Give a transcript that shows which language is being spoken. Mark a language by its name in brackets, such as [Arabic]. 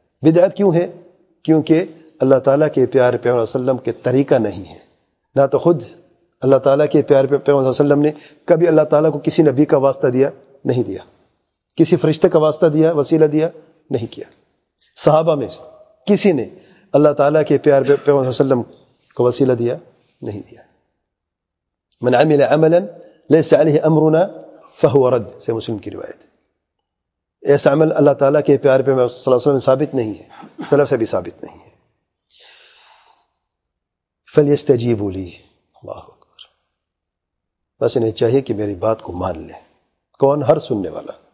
[Urdu] بدعت کیوں ہے؟ کیونکہ اللہ تعالیٰ کے پیار پیغمبر صلی اللہ علیہ وسلم کے طریقہ نہیں ہے, نہ تو خود اللہ تعالیٰ کے پیار پیغمبر صلی اللہ علیہ وسلم نے کبھی اللہ تعالیٰ کو کسی نبی کا واسطہ دیا نہیں, دیا کسی فرشتے کا واسطہ دیا, وسیلہ دیا نہیں کیا. صحابہ میں سے کسی نے اللہ تعالیٰ کے پیار پیغمبر صلی اللہ علیہ وسلم کو وسیلہ دیا نہیں, دیا. [Arabic] من عمل عملا ليس عليه امرنا فهو رد, [Urdu] سے مسلم کی روایت. ایسا عمل اللہ تعالیٰ کے پیار پہ میں صلی اللہ علیہ وسلم ثابت نہیں ہے, سلف سے بھی ثابت نہیں ہے. [Arabic] فَلْيَسْتَجِيبُوا لِي, [Urdu] اللہ اکبر, بس انہیں چاہیے کہ میری بات کو مان لیں. کون؟ ہر سننے والا.